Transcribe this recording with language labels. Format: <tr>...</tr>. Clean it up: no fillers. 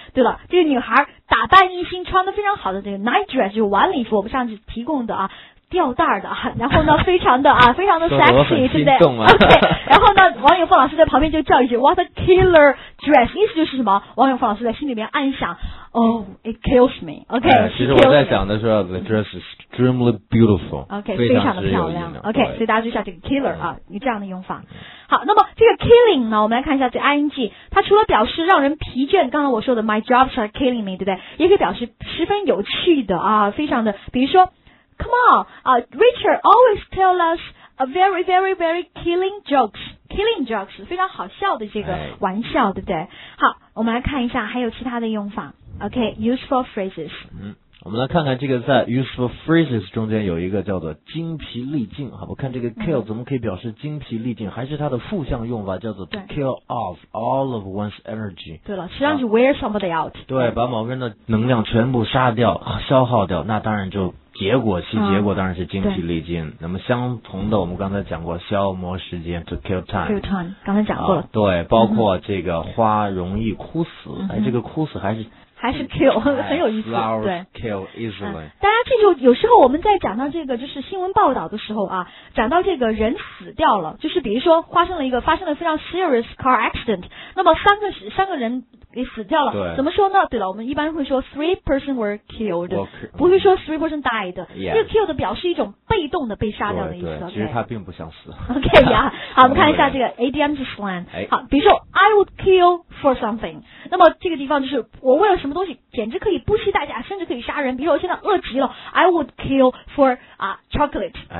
<zh>对了，这个女孩打扮一新，穿的非常好的这个 night dress， 就是晚礼服，我们上次提供的啊。吊带的啊，然后呢非常的啊非常的 sexy， 对不对？然后呢王永凤老师在旁边就叫一句</zh> <en>What a killer dress，</en> <zh>意思就是什么，王永凤老师在心里面暗想</zh> <en>Oh it kills me OK、</en> <zh>其实我在想的时候</zh> <en>The dress is extremely beautiful OK</en> <zh>非常的漂亮</zh> <en>OK，</en> <zh>所以大家就像这个 killer 啊，你这样的用法。好，那么这个 killing 呢，我们来看一下这 ing， 它除了表示让人疲倦，刚才我说的</zh> <en>My jobs are killing me，</en> <zh>对不对？也可以表示十分有趣的啊，非常的，比如说</zh> <en>Come on, Richard always tell us a very, very, very killing jokes. Killing jokes,</en> <zh>非常好笑的这个玩笑，对不对？好，我们来看一下还有其他的用法。</zh> <en>Okay, useful phrases.</en> <zh>我们来看看这个在 useful phrases 中间有一个叫做精疲力尽，好，我看这个 kill 怎么可以表示精疲力尽，还是它的负向用法叫做</zh> <en>to kill off all of one's energy。</en> <zh>对了，实际上是</zh> <en>wear somebody out。</en> <zh>对，把某个人的能量全部杀掉、消耗掉，那当然就。结果其结果当然是精疲力尽、那么相同的我们刚才讲过消磨时间</zh> <en>to kill time kill time</en> <zh>刚才讲过了、对，包括这个花容易枯死、这个枯死还是 kill 很有意思</zh> <en>flowers</en> <zh>对</zh> <en>kill easily、</en> <zh>大家记住，有时候我们在讲到这个就是新闻报道的时候啊，讲到这个人死掉了，就是比如说发生了非常</zh> <en>serious car accident，</en> <zh>那么三个人也死掉了，对，怎么说呢？对了，我们一般会说</zh> <en>three person were killed，</en> <zh>不会说</zh> <en>three person died。 Yes.</en> <zh>这个 killed 表示一种被动的被杀掉的意思。对对</zh> <en>okay.</en> <zh>其实他并不想死。</zh> <en>OK</en> <zh>呀、好，我们看一下这个 idiom slang。好，比如说</zh> <en>I would kill for something，</en> <zh>那么这个地方就是我为了什么东西，简直可以不惜代价，甚至可以杀人。比如说我现在饿极了 ，</zh> <en>I would kill for chocolate。</en>